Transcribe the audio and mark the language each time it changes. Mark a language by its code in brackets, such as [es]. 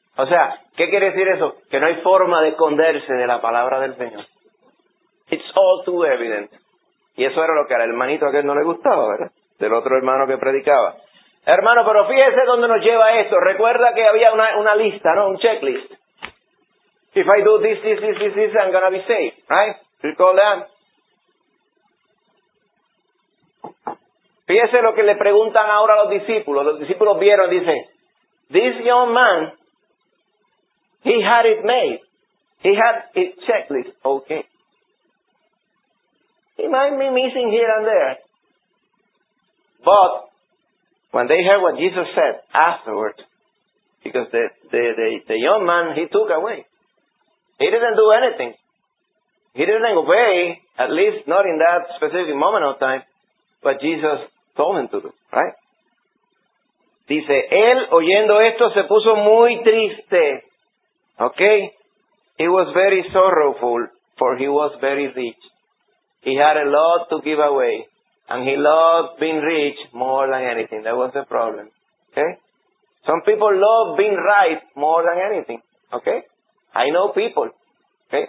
[es] O sea, ¿qué quiere decir eso? Que no hay forma de esconderse de la palabra del Señor. [en] It's all too evident. [es] Y eso era lo que al hermanito aquel no le gustaba, ¿verdad? Del otro hermano que predicaba. Hermano, pero fíjese dónde nos lleva esto. Recuerda que había una lista, ¿no? Un checklist. [en] If I do this, this, this, this, this, I'm gonna be safe, right? Recall that. [es] Fíjese lo que le preguntan ahora a los discípulos. Los discípulos vieron, dice, [en] this young man, he had it made. He had it checklist. Okay. He might be missing here and there. But when they heard what Jesus said afterward, because the young man, he took away. He didn't do anything. He didn't obey, at least not in that specific moment of time, what Jesus told him to do, right? [es] Dice, él oyendo esto se puso muy triste. [en] Okay? He was very sorrowful, for he was very rich. He had a lot to give away, and he loved being rich more than anything. That was the problem. Okay? Some people love being right more than anything. Okay? I know people. Okay?